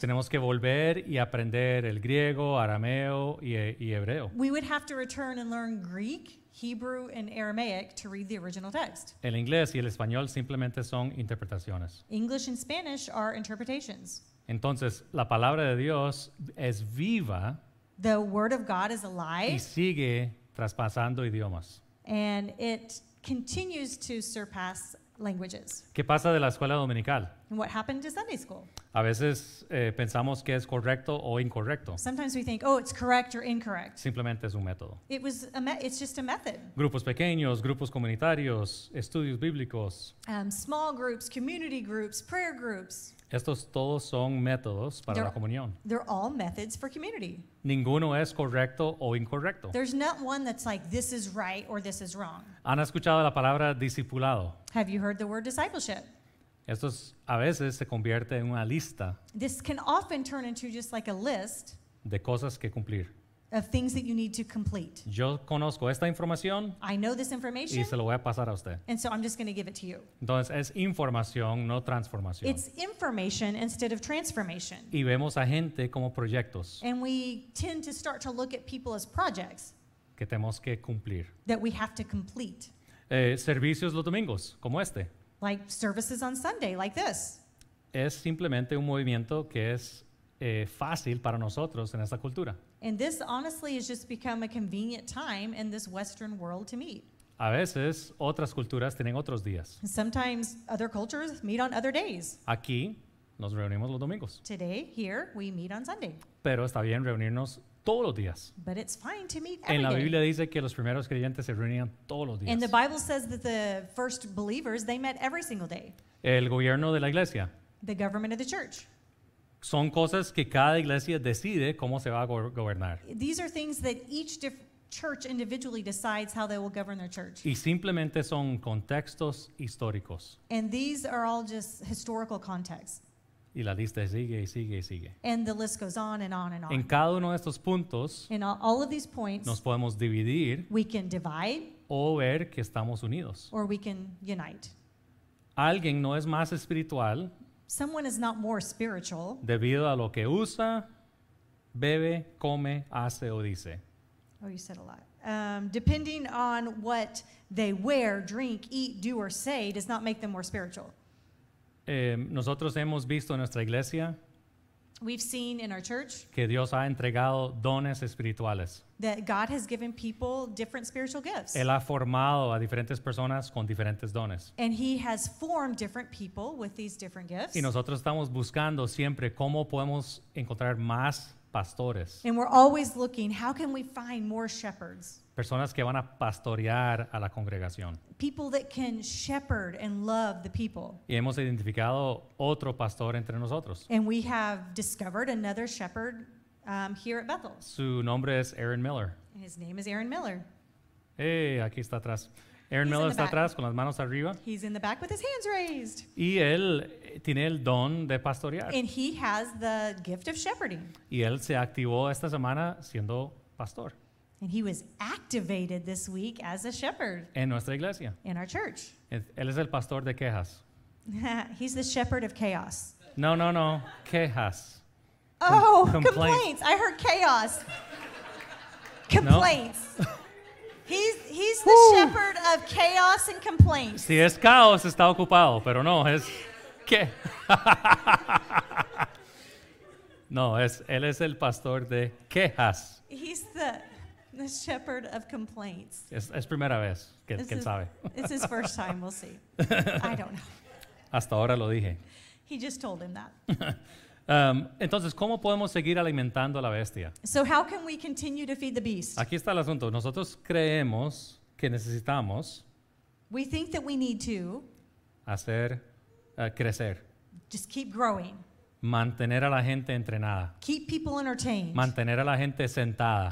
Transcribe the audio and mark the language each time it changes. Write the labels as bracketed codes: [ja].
[es] tenemos que volver y aprender el griego, arameo y hebreo. [en] We would have to return and learn Greek, Hebrew, and Aramaic to read the original text. [es] El inglés y el español simplemente son interpretaciones. [en] English and Spanish are interpretations. [es] Entonces, la palabra de Dios es viva. [en] The word of God is alive. [es] Y sigue traspasando idiomas. [en] And it continues to surpass languages. [es] ¿Qué pasa de la escuela dominical? [en] What happened to Sunday school? [es] A veces pensamos que es correcto o incorrecto. [en] Sometimes we think, oh, it's correct or incorrect. [es] Simplemente es un método. [en] It's just a method. [es] Grupos pequeños, grupos comunitarios, estudios bíblicos. [en] Small groups, community groups, prayer groups. [es] Estos todos son métodos para la comunión. [en] They're all methods for community. [es] Ninguno es correcto o incorrecto. [en] There's not one that's like, this is right or this is wrong. [es] ¿Han escuchado la palabra discipulado? [en] Have you heard the word discipleship? [es] Esto es, a veces se convierte en una lista. [en] This can often turn into just like a list. [es] De cosas que cumplir. [en] Of things that you need to complete. [es] Yo conozco esta información. [en] I know this information. [es] Y se lo voy a pasar a usted. [en] And so I'm just going to give it to you. [es] Entonces es información, no transformación. [en] It's information instead of transformation. [es] Y vemos a gente como proyectos. [en] And we tend to start to look at people as projects. [es] Que tenemos que cumplir. [en] That we have to complete. [es] Servicios los domingos, como este. [en] Like services on Sunday, like this. [es] Es simplemente un movimiento que es fácil para nosotros en esta cultura. [en] And this honestly has just become a convenient time in this Western world to meet. [es] A veces otras culturas tienen otros días. [en] Sometimes other cultures meet on other days. [es] Aquí nos reunimos los domingos. [en] Today, here, we meet on Sunday. [es] Pero está bien reunirnos todos los días. [en] But it's fine to meet every day. [es] En la Biblia dice que los primeros creyentes se reunían todos los días. [en] And the Bible says that the first believers, they met every single day. [es] El gobierno de la iglesia. [en] The government of the church. [es] Son cosas que cada iglesia decide cómo se va a gobernar. [en] These are things that each church individually decides how they will govern their church. [es] Y simplemente son contextos históricos. [en] And these are all just historical contexts. [es] Y la lista sigue y sigue y sigue. [en] And the list goes on and on and on. [es] En cada uno de estos puntos, [en] in all of these points, [es] nos podemos dividir. [en] We can divide. [es] O ver que estamos unidos. [en] Or we can unite. [es] Alguien no es más espiritual. [en] Someone is not more spiritual. [es] Debido a lo que usa, bebe, come, hace, o dice. [en] Oh, you said a lot. Depending on what they wear, drink, eat, do, or say does not make them more spiritual. [es] Nosotros hemos visto en nuestra iglesia. [en] We've seen in our church. [es] Que Dios ha entregado dones espirituales. [en] That God has given people different spiritual gifts. [es] Él ha formado a diferentes personas con diferentes dones. [en] And he has formed different people with these different gifts. [es] Y nosotros estamos buscando siempre cómo podemos encontrar más pastores. [en] And we're always looking, how can we find more shepherds? [es] Personas que van a pastorear a la congregación. [en] People that can shepherd and love the people. [es] Y hemos identificado otro pastor entre nosotros. [en] And we have discovered another shepherd here at Bethel. [es] Su nombre es Aaron Miller. [en] And his name is Aaron Miller. [es] Hey, aquí está atrás. Aaron Miller está atrás con las manos arriba. [en] He's in the back with his hands raised. [es] Y él tiene el don de pastorear. [en] And he has the gift of shepherding. [es] Y él se activó esta semana siendo pastor. [en] And he was activated this week as a shepherd. [es] En nuestra iglesia. [en] In our church. [es] Él es el pastor de quejas. [en] He's the shepherd of chaos. [es] No. Quejas. [en] Oh, complaints. I heard chaos. Complaints. No. He's the shepherd of chaos and complaints. [es] Si es caos, está ocupado, pero no, es que. No, es él es el pastor de quejas. [en] He's the... The shepherd of complaints. [es] Es primera vez. ¿Quién sabe? [en] It's his first time. We'll see. I don't know. [es] Hasta ahora lo dije. [en] He just told him that. [es] Entonces, ¿cómo podemos seguir alimentando a la bestia? [en] So how can we continue to feed the beast? [es] Aquí está el asunto. Nosotros creemos... que necesitamos. [en] We think that we need to [es] crecer. [en] Just keep growing. [es] Mantener a la gente entrenada. [en] Keep people entertained. [es] Mantener a la gente sentada.